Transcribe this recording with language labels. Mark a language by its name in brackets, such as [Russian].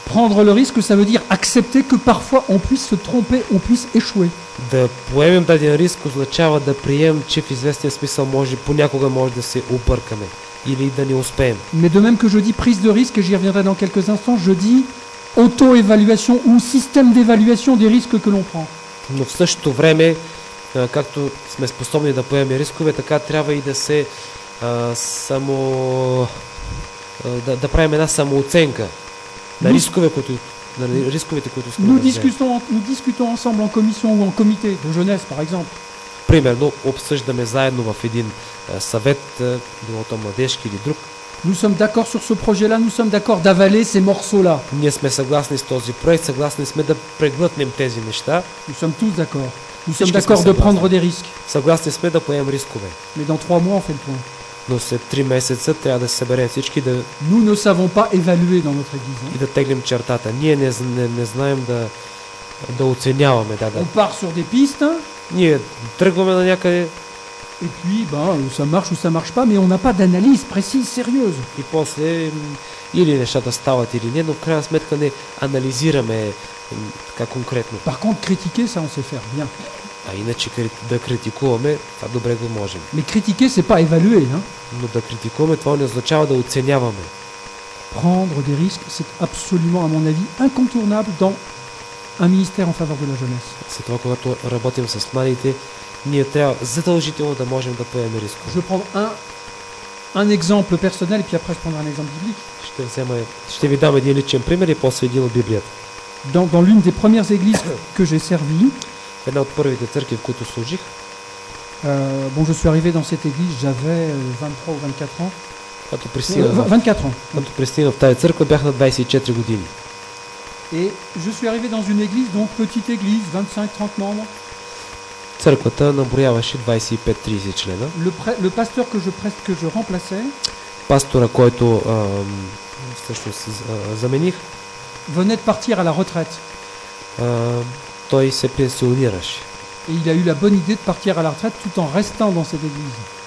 [French] Prendre le risque, ça veut dire accepter que parfois on puisse se tromper, on puisse échouer. [Bulgarian] Да поемем даден риск означава да приемем, че в известен смисъл може понякога може да се объркаме или да не успеем. [French] Mais de même que je dis prise de risque, j'y reviendrai dans quelques instants, je dis auto-évaluation ou système d'évaluation des risques que l'on prend. [Bulgarian] Но в същото време, както сме способни да поемем рискове, така трябва и да се да правим една самооценка на рискове, които [French] Nous discutons ensemble en commission ou en comité de jeunesse, par exemple. [Bulgarian] Примерно, обсъждаме заедно в един съвет, било то младежки или друг. [French] Nous sommes d'accord sur ce projet-là, nous sommes d'accord d'avaler ces morceaux-là. [Bulgarian] Ние сме съгласни с този проект, съгласни сме да преглътнем тези неща. [French] Nous sommes tous d'accord. Nous sommes d'accord de prendre des risques. [Bulgarian] Съгласни сме да поемем рискове. [French] Mais dans 3 mois, on fait le point. [Bulgarian] Но след 3 месеца трябва да се съберем всички да. [French] Nous ne savons pas évaluer dans notre église. [Bulgarian] И да теглим чертата. Ние не знаем да оценяваме, да. [French] On part sur des pistes. [Bulgarian] Ние тръгваме на някъде. [French] Et puis ben ça marche ou ça marche pas, mais on n'a pas d'analyse précise sérieuse. [Bulgarian] И после или нещата стават или не, но в крайна сметка не анализираме така конкретно. [French] Par contre critiquer ça on sait faire bien. [Bulgarian] А иначе да критикуваме, това добре го можем. [French] Mais critiquer c'est pas évaluer, hein? [Bulgarian] Но да критикуваме, това не означава да оценяваме. [French] Prendre des risques, c'est absolument à mon avis incontournable dans un ministère en faveur de la jeunesse. [Bulgarian] След това, когато работим с младите, ние трябва задължително да можем да поемем рискове. [French] Je vais prendre un exemple personnel et puis après je prendrai un exemple biblique. [Bulgarian] Ще ви дам един личен пример и после един от Библията. [French] Dans l'une des premières églises que j'ai servi, [Bulgarian] една от първите църкви, в които служих. [French] Bon, je suis arrivé dans cette église, j'avais 23 ou 24 ans. [Bulgarian] Когато пристигнах [French] 24 ans. [Bulgarian] Когато пристигнах в тази църква, бях на 24 години. [French] Et je suis arrivé dans une église, donc petite église, 25-30 membres. [Bulgarian] Църквата наброяваше 25-30 члена. [French] Le pasteur que je remplaçais, [Bulgarian] пастора, който всъщност замених, [French] venait de partir à la retraite. [Bulgarian] Той се пенсионираше. [French] Et il a eu la bonne idée de partir à la retraite tout en restant dans cette église.